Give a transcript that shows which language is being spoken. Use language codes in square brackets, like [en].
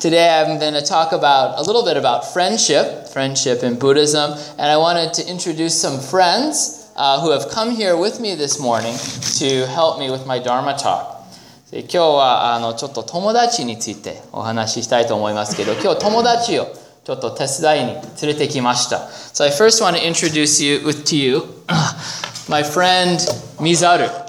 [en] Today I'm going to talk about a little bit about friendship in Buddhism, and I wanted to introduce some friends who have come here with me this morning to help me with my Dharma talk. [ja] 今日はちょっと友達についてお話ししたいと思いますけど、今日友達を [en] So I first want to introduce you to you my friend Mizaru.